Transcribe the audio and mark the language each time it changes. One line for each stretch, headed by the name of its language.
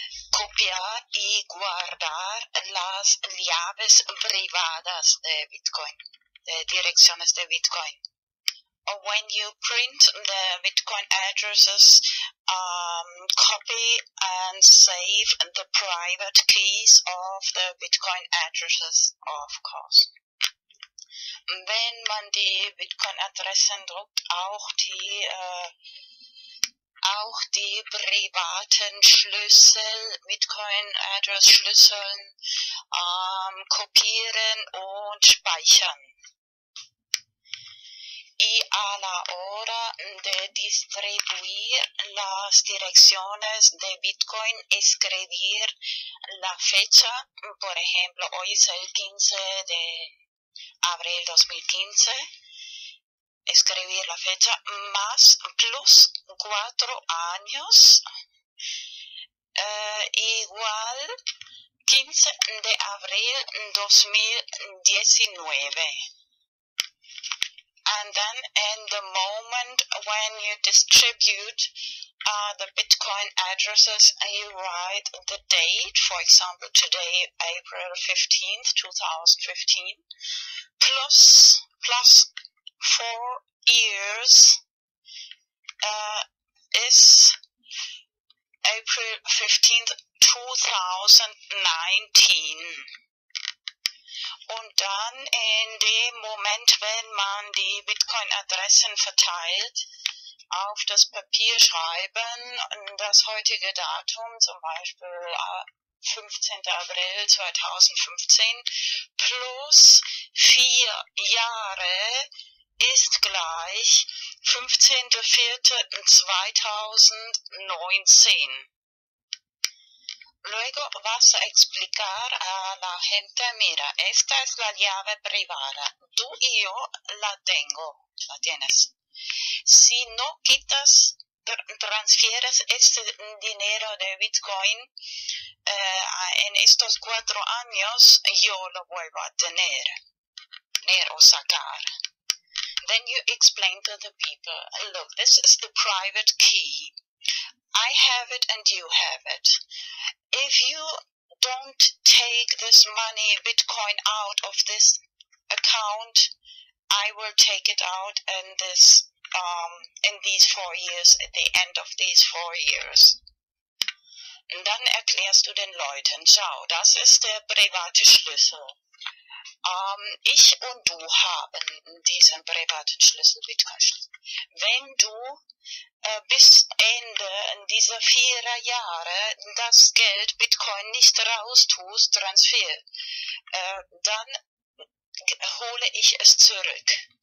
Spanish: copiar y guardar las llaves privadas de Bitcoin, de direcciones de Bitcoin.
English: When you print the Bitcoin addresses, copy and save the private keys of the Bitcoin addresses, of course.
German: Wenn man die Bitcoin-Adressen druckt, auch die privaten Schlüssel, Bitcoin-Address-Schlüsseln, kopieren und speichern.
Spanish: Y a la hora de distribuir las direcciones de Bitcoin, escribir la fecha, por ejemplo, hoy es el 15 de abril 2015, escribir la fecha, más plus 4 años, igual 15 de abril 2019.
English: And then in the moment when you distribute the Bitcoin addresses, you write the date, for example, today, April 15th, 2015, plus 4 years is April 15th, 2019.
German: Und dann in dem Moment, wenn man die Bitcoin-Adressen verteilt, auf das Papier schreiben, das heutige Datum, zum Beispiel 15. April 2015, plus 4 Jahre ist gleich 15.04.2019.
Spanish: Luego vas a explicar a la gente, mira, esta es la llave privada. Tú y yo la tengo, la tienes. Si no quitas, transfieres este dinero de Bitcoin en estos 4 años, yo lo vuelvo a tener o sacar.
English: Then you explain to the people, look, this is the private key. I have it and you have it. If you don't take this money, Bitcoin, out of this account, I will take it out in this, in these 4 years, at the end of these 4 years.
German: Und dann erklärst du den Leuten, schau, das ist der private Schlüssel. Ich und du haben diesen privaten Schlüssel, Bitcoin-Schlüssel. Wenn du bis Ende dieser 4 Jahre das Geld Bitcoin nicht raustust, Transfer, dann hole ich es zurück.